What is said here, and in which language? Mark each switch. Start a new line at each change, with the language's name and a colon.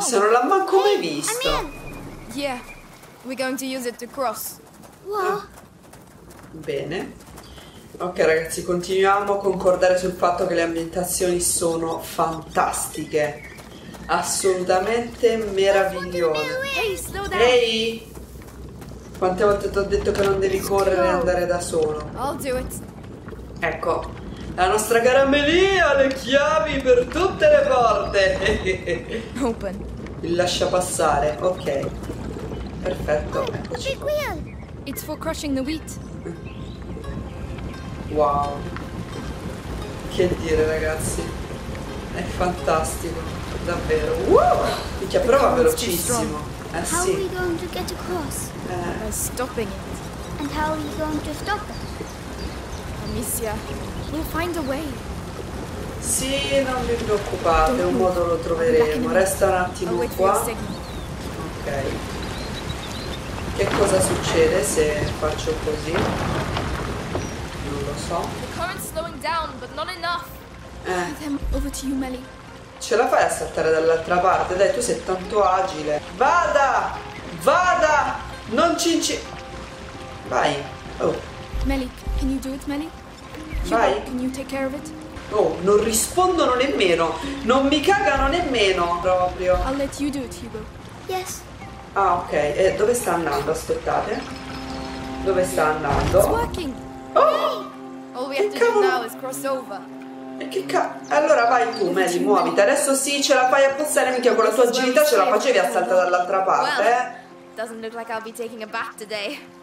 Italian: Se non l'ha manco mai visto.
English: Yeah, we're going to use it to cross.
Italian: Bene. Ok, ragazzi, continuiamo a concordare sul fatto che le ambientazioni sono fantastiche. Assolutamente meravigliose. Ehi, quante volte ti ho detto che non devi correre e andare da solo?
English: I'll do it.
Italian: Ecco, La nostra cara Amelie ha le chiavi per tutte le porte.
English: Open.
Italian: Il lascia passare, ok. Perfetto.
English: The wheel. It's for crushing the wheat.
Italian: Wow. Che dire, ragazzi. È fantastico, davvero. Picchia, però va velocissimo.
English: How are we going to get across? By stopping it. And how are we going to stop it? Amicia, we'll find a way.
Italian: Sì, non vi preoccupate, un modo lo troveremo. Resta un attimo qua. Ok. Che cosa succede se faccio così? Non lo so.
English: The current's slowing down, but not enough. Over to you, Melly.
Italian: Ce la fai a saltare dall'altra parte? Dai, tu sei tanto agile. Vada! Vada! Non cinci... Vai. Oh.
English: Melly, can you do it, Melly?
Italian: Vai.
English: Can you take care of it?
Italian: Oh, non rispondono nemmeno. Non mi cagano nemmeno, proprio.
English: I'll let you do it, Hugo. Yes.
Italian: Ah, ok. Dove sta andando? Aspettate. Dove sta andando?
English: It's working. Oh! All we have to do now is cross over.
Italian: Che cazzo? Allora vai tu, Melly, muoviti. Adesso sì, ce la fai a passare. Minchia, con la tua agilità ce la facevi a saltare dall'altra parte.
English: Doesn't look like I'll be taking a bath today.